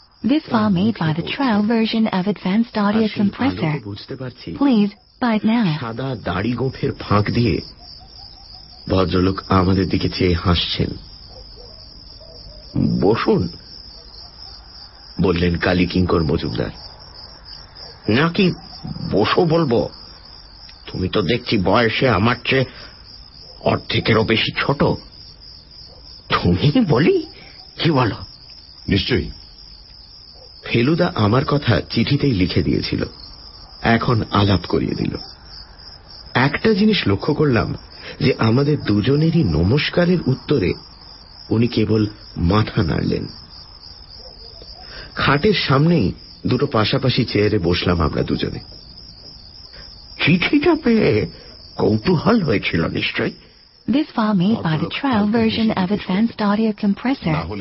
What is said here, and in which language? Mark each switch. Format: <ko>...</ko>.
<en>This file made by the trial version of Advanced Audio Compressor. Please buy it now.</en> <bn>সাদা দাড়ি গোঁফের ফাঁক দিয়ে ভদ্রলোক আমাদের দিকে চেয়ে হাসছেন। বসুন, বললেন কালী কিঙ্কর মজুমদার। নাকি বসো বলবো? তুমি তো দেখছি বয়সে আমার চেয়ে অর্ধেকেরও বেশি ছোট। তুমি বলি, কি বলো? নিশ্চয়ই। ফেলুদা আমার কথা চিঠিতেই লিখে দিয়েছিল, এখন আলাপ করিয়ে দিল। একটা জিনিস লক্ষ্য করলাম যে আমাদের দুজনেরই নমস্কারের উত্তরে উনি কেবল মাথা নাড়লেন। খাটের সামনেই দুটো পাশাপাশি চেয়ারে বসলাম আমরা দুজনে। চিঠিটা পেয়ে কৌতূহল হয়েছিল নিশ্চয়ই?</bn> <en>This file made by the trial version of Advanced Audio Compressor.</en>